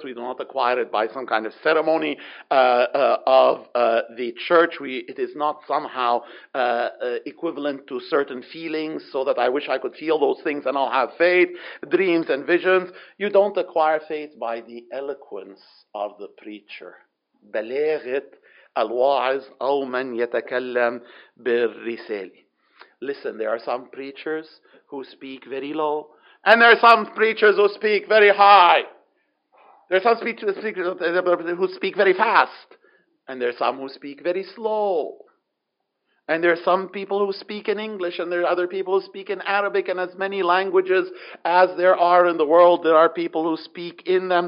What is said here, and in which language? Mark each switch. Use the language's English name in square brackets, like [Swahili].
[English] We do not acquire it by some kind of ceremony of the church. It is not somehow equivalent to certain feelings, so that I wish I could feel those things and I'll have faith, dreams and visions. You don't acquire faith by the eloquence of the preacher. [Arabic] بلاغت الواعظ أو من يتكلم بالرسالة. [English] Listen, there are some preachers who speak very low, and there are some preachers who speak very high. There are some speakers who speak very fast, and there are some who speak very slow. And there are some people who speak in English, and there are other people who speak in Arabic, and as many languages as there are in the world, there are people who speak in them.